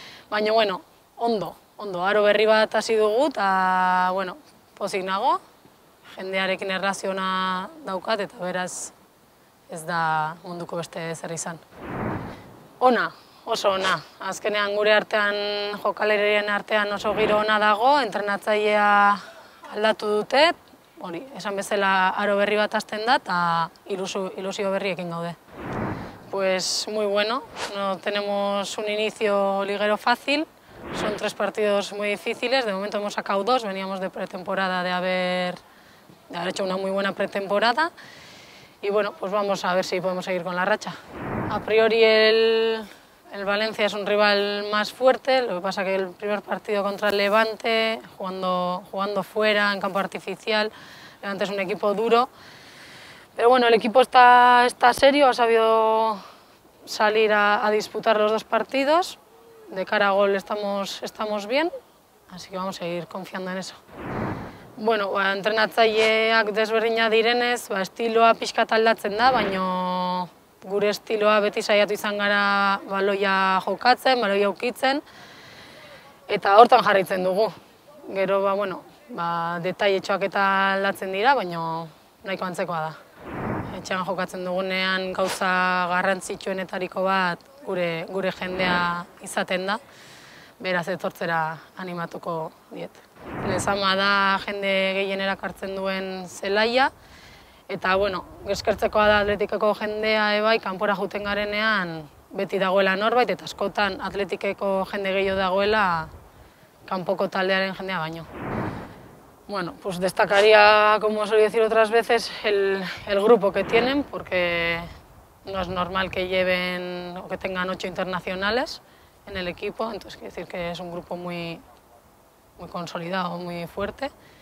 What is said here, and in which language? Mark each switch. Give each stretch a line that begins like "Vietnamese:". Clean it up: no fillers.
Basque: Baina, bueno, ondo, ondo, aro berri bat hasi dugu, eta, bueno, pozik nago, jendearekin erraziona daukat, eta beraz, ez da munduko beste zer izan. Ona, oso ona. Azkenean gure artean, jokalerien artean oso giro ona dago, entrenatzailea aldatu dute, hori, esan bezala aro berri bat hasten da, eta ilusio berriekin gaude.
Spanish: Pues muy bueno, no tenemos un inicio liguero fácil, son tres partidos muy difíciles, de momento hemos sacado dos, veníamos de pretemporada de haber hecho una muy buena pretemporada, y bueno, pues vamos a ver si podemos seguir con la racha. A priori el Valencia es un rival más fuerte, lo que pasa que el primer partido contra el Levante, jugando fuera, en campo artificial, Levante es un equipo duro, pero bueno, el equipo está serio, ha sabido salir a disputar los dos partidos, de cara a gol estamos bien, así que vamos a ir confiando en eso.
Basque: Bueno, ba, entrenatzaileak desberdina direnez, ba, estiloa pixkat aldatzen da, baino gure estiloa beti saiatu izan gara baloia jokatzen, baloia ukitzen, eta hortan jarraitzen dugu. Gero, ba, bueno, ba, detailetxoak eta aldatzen dira, baino nahiko antzekoa da. Etxean jokatzen dugunean gauza garrantzitsuenetariko bat gure jendea izaten da, beraz etortzera animatuko diet. Lezama da jende gehien erakartzen duen zelaia, eta, bueno, eskertzekoa da Atletikeko jendea ebai, kanpora juten garenean beti dagoela norbait, eta askotan Atletikeko jende gehiago dagoela kanpoko taldearen jendea baino.
Spanish: Bueno, pues destacaría, como solía decir otras veces, el grupo que tienen, porque no es normal que lleven o que tengan 8 internacionales en el equipo, entonces quiere decir que es un grupo muy consolidado, muy fuerte.